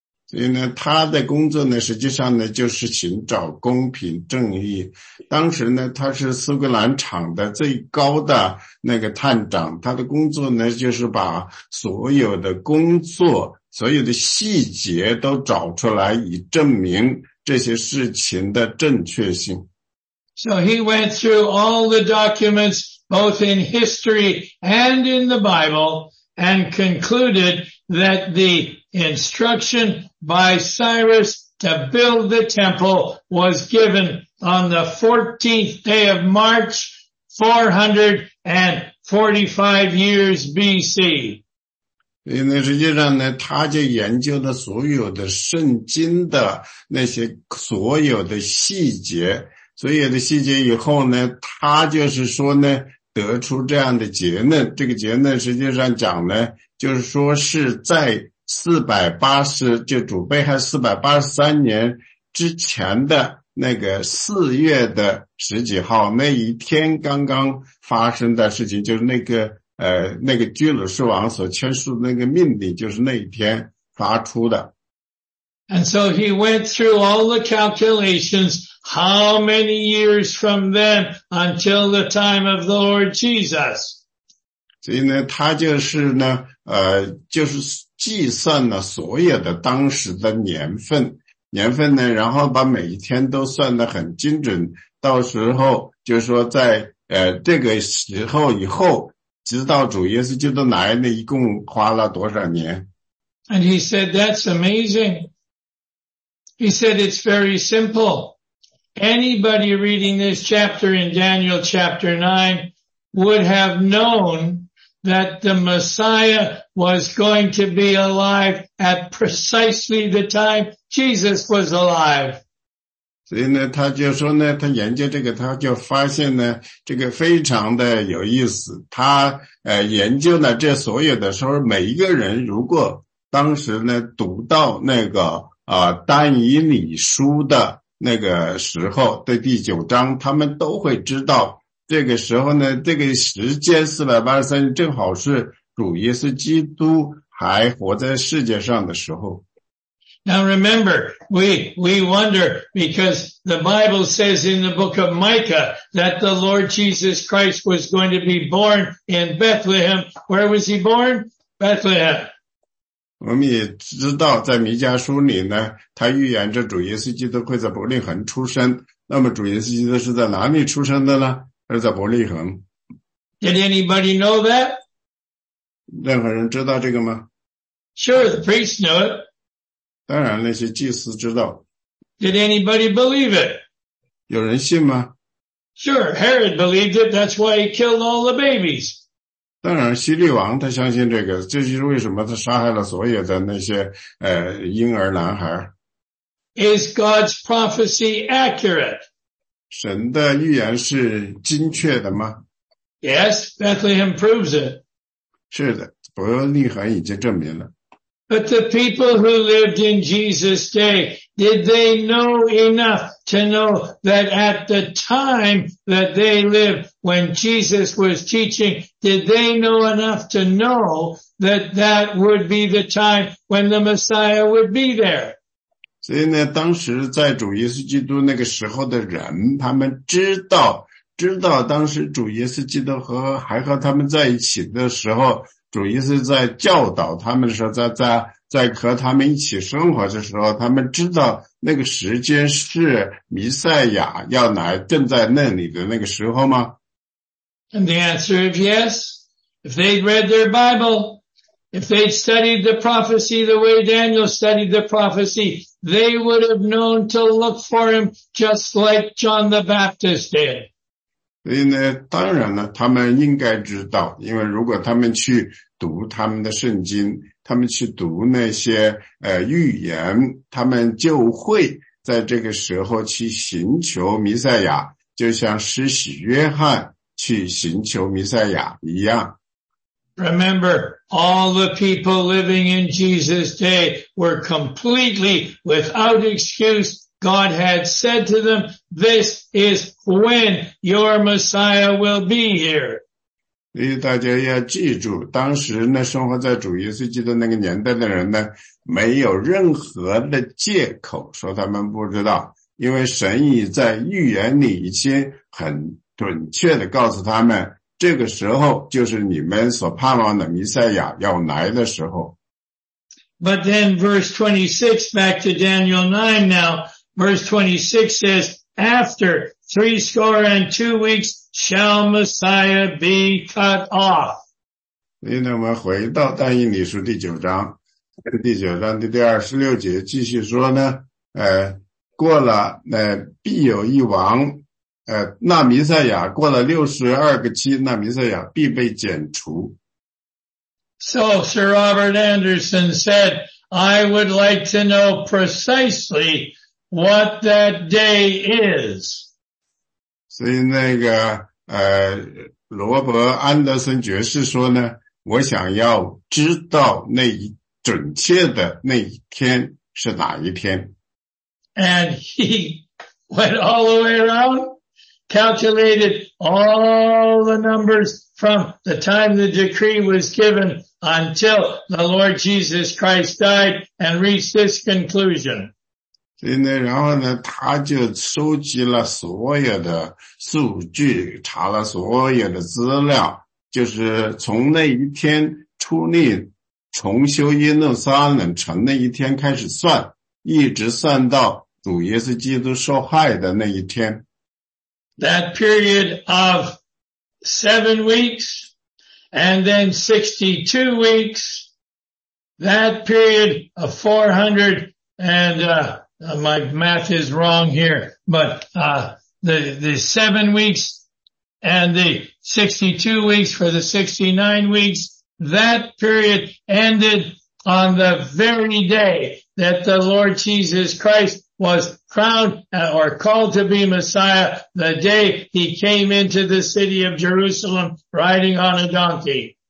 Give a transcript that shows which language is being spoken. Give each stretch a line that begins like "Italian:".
Chinese: 所以呢，他的工作呢，实际上呢，就是寻找公平正义。当时呢，他是苏格兰场的最高的那个探长，他的工作呢，就是把所有的工作、所有的细节都找出来，以证明这些事情的正确性。
English: So he went through all the documents, both in history and in the Bible, and concluded that the instruction by Cyrus to build the temple was given on the 14th day of March, 445 years BC.
Chinese: 所以实际上呢，他就研究了所有的圣经的那些所有的细节，所有的细节以后呢，他就是说呢，得出这样的结论。这个结论实际上讲呢，就是说是在主被害483年之前的那个4月的十几号那一天刚刚发生的事情，就是那个居鲁士王所签署的那个命令，就是那一天发出的。
English: And so he went through all the calculations, how many years from then until the time of the Lord Jesus.
Chinese: 所以呢，他就是呢，就是计算了所有的当时的年份呢，然后把每一天都算得很精准，到时候就是说在这个时候以后，直到主耶稣基督来，那一共花了多少年。
English: And he said, that's amazing. He said, it's very simple. Anybody reading this chapter in Daniel chapter 9 would have knownthat the Messiah was going to be alive at precisely the time Jesus was alive.
Chinese: 所以呢，他就说呢，他研究这个，他就发现呢，这个非常的有意思。他研究了这所有的时候，每一个人如果当时呢读到那个但以理书的那个时候的第九章，他们都会知道。这个时候呢，这个时间483年正好是主耶稣基督还活在世界上的时候。
English: Now remember, we wonder because the Bible says in the book of Micah that the Lord Jesus Christ was going to be born in Bethlehem. Where was he born? Bethlehem.
Chinese: 我们也知道在弥迦书里呢，他预言着主耶稣基督会在伯利恒出生。那么主耶稣基督是在哪里出生的呢？而在伯利恒。
English: Did anybody know that?
Chinese: 任何人知道这个吗？
English: Sure, the priests know it.
Chinese: 当然那些祭司知道。
English: Did anybody believe it?
Chinese: 有人信吗？
English: Sure, Herod believed it, that's why he killed all the babies.
Chinese: 当然希律王他相信这个，这就是为什么他杀害了所有的那些婴儿男孩。
English: Is God's prophecy accurate?
Chinese: 神的预言是精确的吗？
English: Yes, Bethlehem proves it.
Chinese: 是的，伯利恒已经证明了。
English: But the people who lived in Jesus' day, did they know enough to know that at the time that they lived, when Jesus was teaching, did they know enough to know that that would be the time when the Messiah would be there?
Chinese: 所以呢，当时在主耶稣基督那个时候的人，他们知道当时主耶稣基督还和他们在一起的时候，主耶稣在教导他们的时候，在和他们一起生活的时候，他们知道那个时间是弥赛亚要来正在那里的那个时候吗？
English: And the answer is yes. If they'd read their Bible, if they'd studied the prophecy the way Daniel studied the prophecy,They would have known to look for him just like John the Baptist did.
Chinese: 所以呢，当然呢，他们应该知道，因为如果他们去读他们的圣经，他们去读那些预言，他们就会在这个时候去寻求弥赛亚，就像施洗约翰去寻求弥赛亚一样。
English: Remember, all the people living in Jesus' day were completely without excuse. God had said to them, this is when your Messiah will be here.
Chinese: 所以大家要记住，当时呢，生活在主耶稣基督那个年代的人呢，没有任何的借口说他们不知道，因为神已在预言里已经很准确地告诉他们，这个时候就是你们所盼望的弥赛亚要来的时候。
English: But then verse 26, back to Daniel 9 now, verse 26 says, after 62 weeks shall Messiah be cut off.
Chinese: 所以呢，我们回到但以理书第九章，第九章的第26节继续说呢，过了必有一王，那弥赛亚过了62个期，那弥赛亚必被剪除。
English: So, Sir Robert Anderson said, I would like to know precisely what that day is.
Chinese: 所以那个罗伯安德森爵士说呢，我想要知道那一准确的那一天是哪一天。
English: And he went all the way around, calculated all the numbers from the time the decree was given until the Lord Jesus Christ died and reached this conclusion.
Chinese: 所以呢，然后呢，他就收集了所有的数据，查了所有的资料，就是从那一天出力重修耶路撒冷城那一天开始算，一直算到主耶稣基督受害的那一天。
English: That period of 7 weeks and then 62 weeks, that period of 400 and, my math is wrong here, but, the 7 weeks and the 62 weeks for the 69 weeks, that period ended on the very day that the Lord Jesus Christ was crowned or called to be Messiah, the day he came into the city of Jerusalem riding on a donkey.